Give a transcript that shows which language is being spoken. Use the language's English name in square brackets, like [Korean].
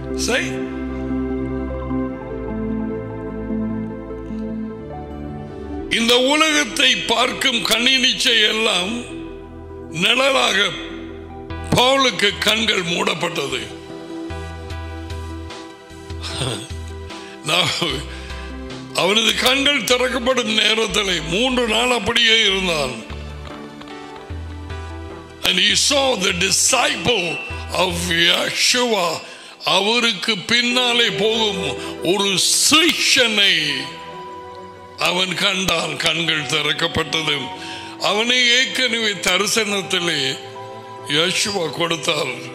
[Tamil] சரி, இந்த உலகத்தை பார்க்கும் கண்ணினிச்சை எல்லாம் நிழலாக பவுலுக்கு கண்கள் மூடப்பட்டது. அவனது கண்கள் திறக்கப்படும் நேரத்தில் 3 நாள் அப்படியே இருந்தான். [English] And he saw the disciple of Yeshua. [Tamil] அவருக்கு பின்னாலே போகும் ஒரு சீஷனை அவன் கண்டான். கண்கள் திறக்கப்பட்டது. அவனை ஏற்கனவே தரிசனத்திலே யேசுவா கொடுத்தார்.